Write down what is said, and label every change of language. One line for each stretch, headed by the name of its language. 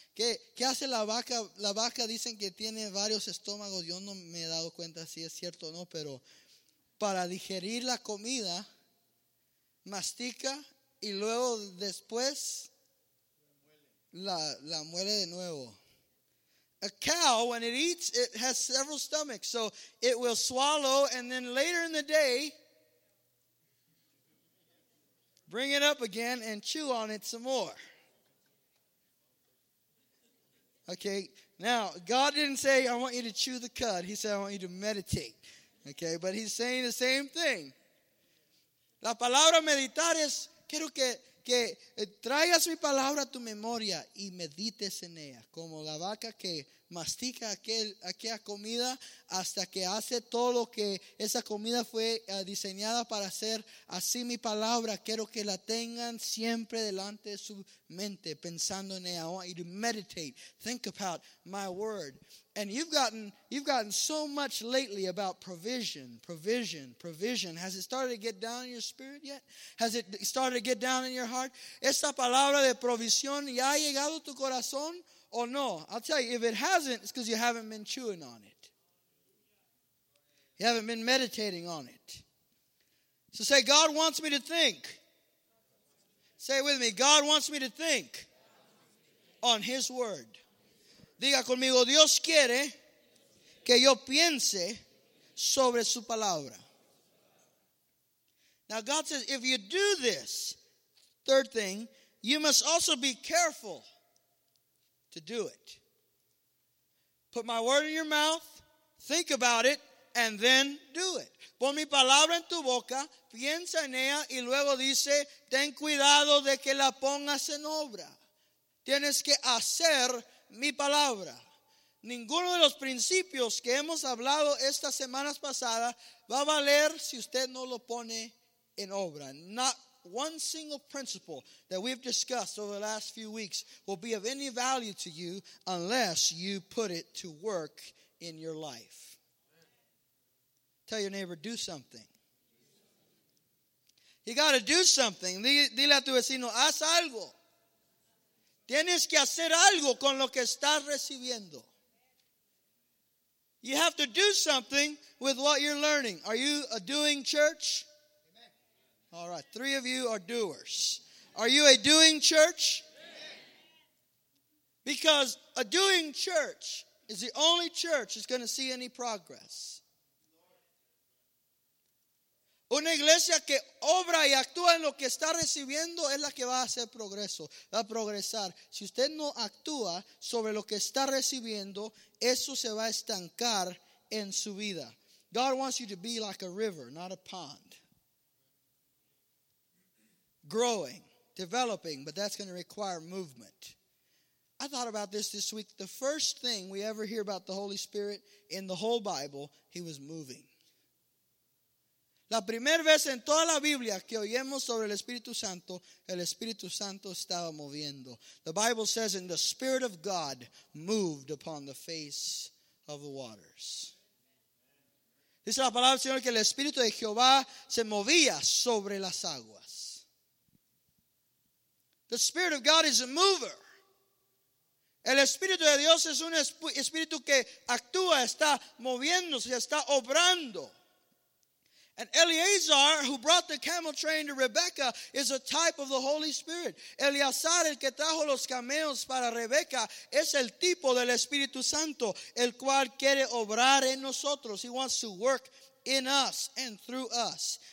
Spanish: ¿Qué hace la vaca? La vaca dicen que tiene varios estómagos. Yo no me he dado cuenta si es cierto o no, pero para digerir la comida, mastica y luego después la muele de nuevo.
English: A cow, when it eats, it has several stomachs. So it will swallow and then later in the day bring it up again and chew on it some more. Okay, now, God didn't say, I want you to chew the cud. He said, I want you to meditate. Okay, but he's saying the same thing.
Spanish: La palabra meditar es, quiero que traigas mi palabra a tu memoria y medites en ella. Como la vaca que mastica aquella comida hasta que hace todo lo que esa comida fue diseñada para hacer. Así mi palabra, quiero que la tengan siempre delante de su mente, pensando en ella.
English: I want you to meditate, think about my word. And you've gotten so much lately about provision, provision, provision. Has it started to get down in your spirit yet? Has it started to get down in your heart?
Spanish: ¿Esta palabra de provisión ya ha llegado a tu corazón?
English: Oh no, I'll tell you, if it hasn't, it's because you haven't been chewing on it. You haven't been meditating on it. So say, God wants me to think. Say it with me. God wants me to think on His Word.
Spanish: Diga conmigo, Dios quiere que yo piense sobre su palabra.
English: Now God says, if you do this, third thing, you must also be careful to do it. Put my word in your mouth, think about it, and then do it.
Spanish: Pon mi palabra en tu boca, piensa en ella, y luego dice, ten cuidado de que la pongas en obra. Tienes que hacer mi palabra. Ninguno de los principios que hemos hablado estas semanas pasadas va a valer si usted no lo pone en obra.
English: Not one single principle that we've discussed over the last few weeks will be of any value to you unless you put it to work in your life. Tell your neighbor, do something. You got to do something.
Spanish: Dile a tu vecino, haz algo. Tienes que hacer algo con lo que estás recibiendo.
English: You have to do something with what you're learning. Are you a doing church? All right, three of you are doers. Are you a doing church? Because a doing church is the only church that's going to see any progress.
Spanish: Una iglesia que obra y actúa en lo que está recibiendo es la que va a hacer progreso, va a progresar. Si usted no actúa sobre lo que está recibiendo, eso se va a estancar en su vida.
English: God wants you to be like a river, not a pond. Growing, developing, but that's going to require movement. I thought about this week. The first thing we ever hear about the Holy Spirit in the whole Bible, He was moving.
Spanish: La primera vez en toda la Biblia que oyemos sobre el Espíritu Santo estaba moviendo.
English: The Bible says, and the Spirit of God moved upon the face of the waters.
Spanish: Dice la palabra del Señor que el Espíritu de Jehová se movía sobre las aguas.
English: The Spirit of God is a mover.
Spanish: El Espíritu de Dios es un Espíritu que actúa, está moviéndose, está obrando.
English: And Eleazar, who brought the camel train to Rebekah, is a type of the Holy Spirit.
Spanish: Eleazar, el que trajo los camellos para Rebekah, es el tipo del Espíritu Santo, el cual quiere obrar en nosotros.
English: He wants to work in us and through us.